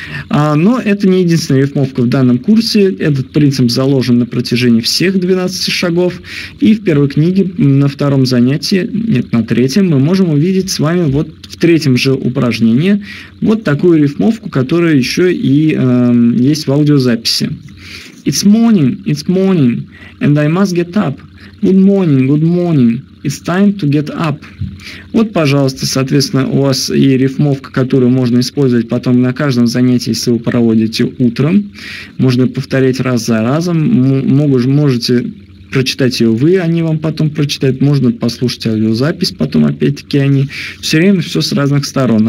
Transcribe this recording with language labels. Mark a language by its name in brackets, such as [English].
[Russian] Но это не единственная рифмовка в данном курсе. Этот принцип заложен на протяжении всех 12 шагов. И в первой книге, на втором занятии, нет, на третьем, мы можем увидеть с вами вот в третьем же упражнении вот такую рифмовку, которая еще и есть в аудиозаписи. [English] It's morning, and I must get up. Good morning, good morning. It's time to get up. [Russian] Вот, пожалуйста, соответственно, у вас и рифмовка, которую можно использовать потом на каждом занятии, если вы проводите утром. Можно повторять раз за разом. Можете прочитать ее вы, они вам потом прочитают. Можно послушать аудиозапись потом, опять-таки, они. Все время все с разных сторон.